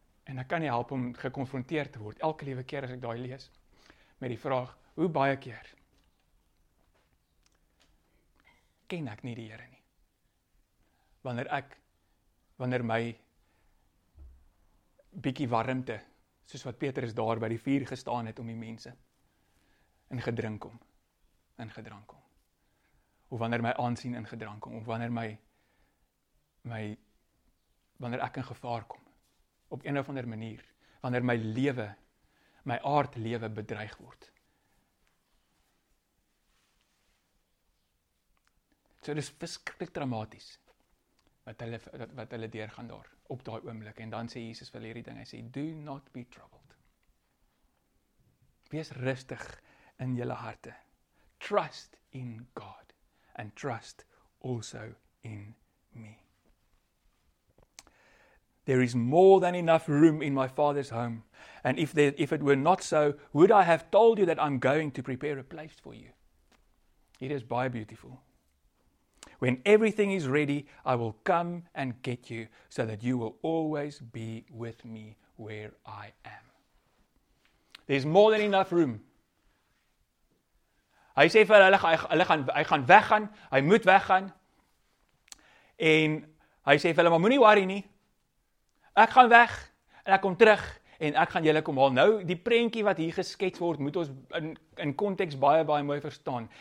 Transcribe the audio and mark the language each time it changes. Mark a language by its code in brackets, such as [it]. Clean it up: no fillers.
[af] En ek kan nie help om gekonfronteer te word, elke lewe keer as ek daai lees, met die vraag, hoe baie keer ken ek nie die Here nie? Wanneer my bietjie warmte, soos wat Petrus daar by die vuur gestaan het om die mense, in gedrank kom. Of wanneer my aansien in gedrank kom, of wanneer ek in gevaar kom, op een of ander manier, wanneer my lewe, my aard lewe bedreig word. So dis verskriklik dramaties wat hulle deurgaan daar op daai oomblik en dan sê Jesus vir hierdie ding, hy sê [en] do not be troubled. [af] Wees rustig in julle harte. [en] Trust in God and trust also in me. There is more than enough room in my Father's home. And if it were not so, would I have told you that I'm going to prepare a place for you? It is by beautiful. When everything is ready, I will come and get you so that you will always be with me where I am. There's more than enough room. [af] Hy sê vir hulle, hy gaan weggaan, hy moet weggaan. En hy sê vir hulle, maar moenie worry nie. Ek gaan weg en ek kom terug en ek gaan julle kom haal. Nou, die prentjie wat hier geskets word, moet ons in konteks baie, baie mooi verstaan.